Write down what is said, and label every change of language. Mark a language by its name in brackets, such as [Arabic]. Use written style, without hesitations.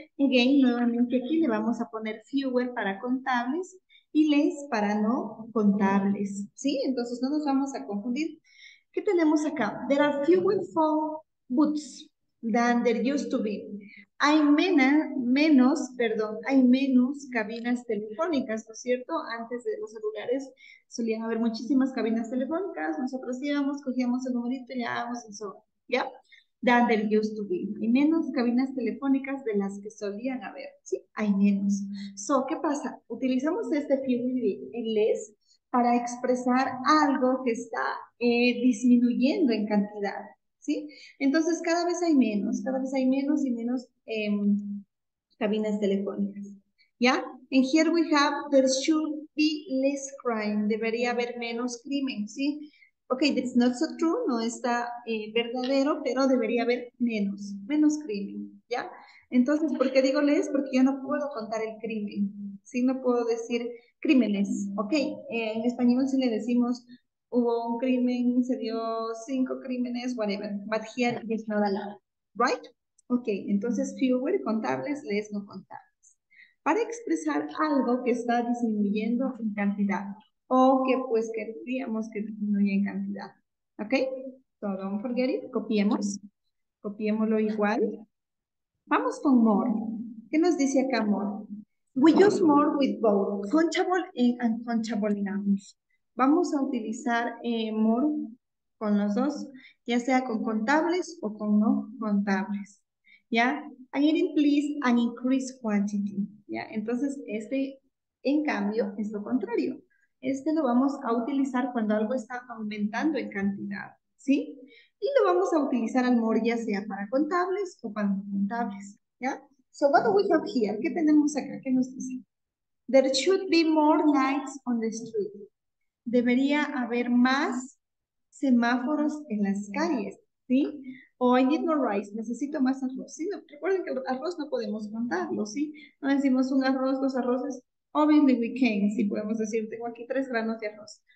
[Spanish] Again, nuevamente aquí le vamos a poner fewer para contables y less para no contables, ¿sí? Entonces no nos vamos a confundir. ¿Qué tenemos acá? [English] There are fewer phone booths than there used to be. [Spanish] Hay menos cabinas telefónicas, ¿no es cierto? Antes de los celulares solían haber muchísimas cabinas telefónicas. Nosotros íbamos, cogíamos el numerito y llamábamos y sobre. ¿Ya? [English] Than there used to be. [Spanish] Hay menos cabinas telefónicas de las que solían haber. Sí, hay menos. So, ¿qué pasa? Utilizamos este fewer y less para expresar algo que está disminuyendo en cantidad. ¿Sí? Entonces, cada vez hay menos y menos cabinas telefónicas. ¿Ya? [English] And here we have, there should be less crime. [Spanish] Debería haber menos crimen, ¿sí? [English] Ok, that's not so true, [Spanish] no está verdadero, pero debería haber menos crimen, ¿ya? Entonces, ¿por qué digo less? Porque yo no puedo contar el crimen, ¿sí? No puedo decir crímenes, ¿ok? En español sí le decimos, hubo un crimen, se dio cinco crímenes, whatever, [English] but here it's not allowed, [Spanish] ¿right? Ok, entonces fewer contables, less no contables. Para expresar algo que está disminuyendo en cantidad, o que pues queríamos que disminuya en cantidad. ¿Ok? [English] So don't forget it. [Spanish] Copiemos. Copiémoslo igual. Vamos con more. ¿Qué nos dice acá more? [English] We use more with both countable and uncountable nouns. [Spanish] Vamos a utilizar more con los dos, ya sea con contables o con no contables. ¿Ya? [English] And it implies an increased quantity. [Spanish] ¿Ya? Entonces, este, en cambio, es lo contrario. Este lo vamos a utilizar cuando algo está aumentando en cantidad. ¿Sí? Y lo vamos a utilizar al more, ya sea para contables o para no contables. ¿Ya? [English] So, what do we have here? [Spanish] ¿Qué tenemos acá? ¿Qué nos dice? [English] There should be more lights on the street. [Spanish] Debería haber más semáforos en las calles, ¿sí? O [English] I need more rice, [Spanish] necesito más arroz. Sí, no, recuerden que el arroz no podemos contarlo, ¿sí? No decimos un arroz, dos arroces. [English] Obviously we can, [Spanish] sí, podemos decir, tengo aquí tres granos de arroz.